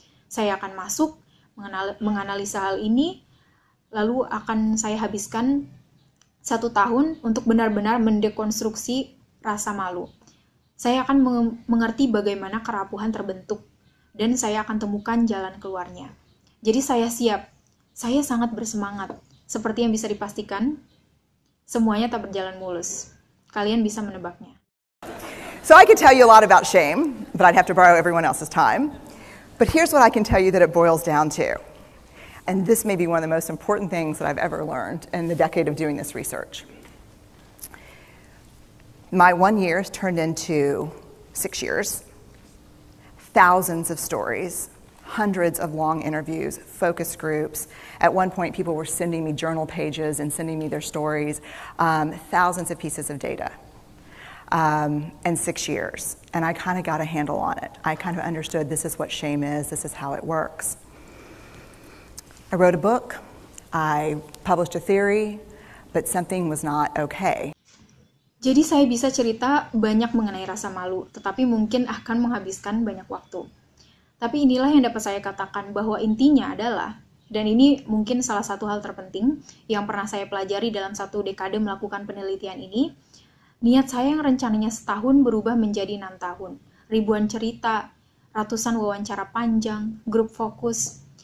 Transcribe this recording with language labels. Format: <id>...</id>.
<id>Saya akan masuk, menganalisa hal ini, lalu akan saya habiskan 1 tahun untuk benar-benar mendekonstruksi rasa malu. Saya akan mengerti bagaimana kerapuhan terbentuk, dan saya akan temukan jalan keluarnya. Jadi saya siap, saya sangat bersemangat. Seperti yang bisa dipastikan, semuanya tak berjalan mulus. Kalian bisa menebaknya.</id> <en>So I could tell you a lot about shame, but I'd have to borrow everyone else's time. But here's what I can tell you that it boils down to. And this may be one of the most important things that I've ever learned in the decade of doing this research. My 1 year has turned into 6 years. Thousands of stories, hundreds of long interviews, focus groups. At one point, people were sending me journal pages and sending me their stories, thousands of pieces of data, and 6 years. And I kind of got a handle on it. I kind of understood this is what shame is, this is how it works. I wrote a book, I published a theory, but something was not okay.</en> <id>Jadi saya bisa cerita banyak mengenai rasa malu, tetapi mungkin akan menghabiskan banyak waktu. Tapi inilah yang dapat saya katakan, bahwa intinya adalah, dan ini mungkin salah satu hal terpenting yang pernah saya pelajari dalam 1 dekade melakukan penelitian ini, niat saya yang rencananya 1 tahun berubah menjadi 6 tahun. Ribuan cerita, ratusan wawancara panjang, grup fokus,</id>